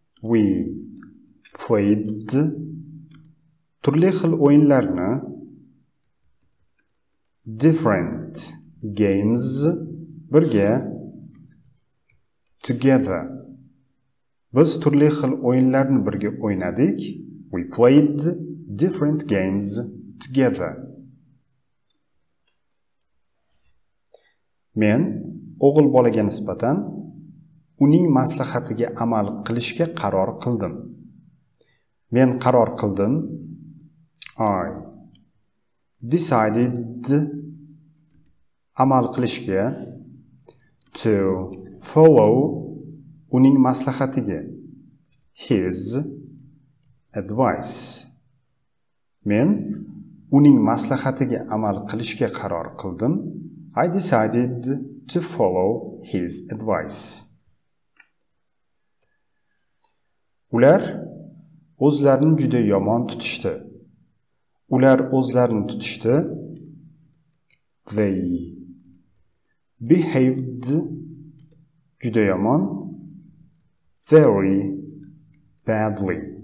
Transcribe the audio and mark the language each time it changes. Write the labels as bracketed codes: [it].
[en] We played turli xil o'yinlarni, different games birga, together. [uz] Biz turli xil o'yinlarni birga o'ynadik. We played different games together. Men o'g'il bolaga nisbatan uning maslahatiga amal qilishga qaror qildim. Men qaror qildim. I decided amal qilishga to follow uning maslahatiga. [en] His advice. [uz] Men uning maslahatiga amal qilishga qaror qildim. [en] I decided to follow his advice. [uz] Ular o'zlarini juda yomon tutishdi. Ular o'zlarini tutishdi. [en] They behaved juda yomon, very badly.